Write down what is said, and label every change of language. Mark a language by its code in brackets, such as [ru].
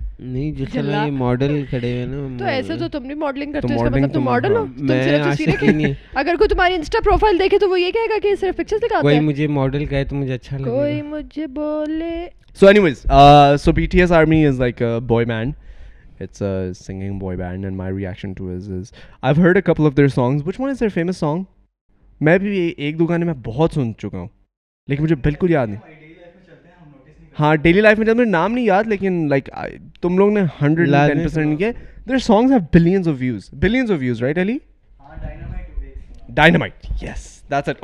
[hi] नहीं, जिस तरह ये मॉडल खड़े हुए ना, तो ऐसे तो तुम भी मॉडलिंग करते हो, इसका मतलब तुम मॉडल हो. तुम सिर्फ तस्वीरें खींच नहीं. अगर कोई तुम्हारी इंस्टा प्रोफाइल देखे तो वो ये कहेगा कि सिर्फ पिक्चर्स दिखाते हैं. कोई मुझे मॉडल कहे तो मुझे अच्छा लगेगा. कोई मुझे बोले. [en] So anyways, so BTS army is like a boy band. It's a singing boy band and my reaction to it is I've heard a couple of their songs. Which one is their famous song? [hi] मैं भी एक दो गाने मैं बहुत सुन चुका हूँ लेकिन मुझे बिल्कुल याद नहीं. हाँ, डेली लाइफ में जब मुझे नाम नहीं याद, लेकिन लाइक तुम लोग ने 110% किए. [en] Their songs have billions of views. Billions of views, right Ali? Dynamite, yes, that's it.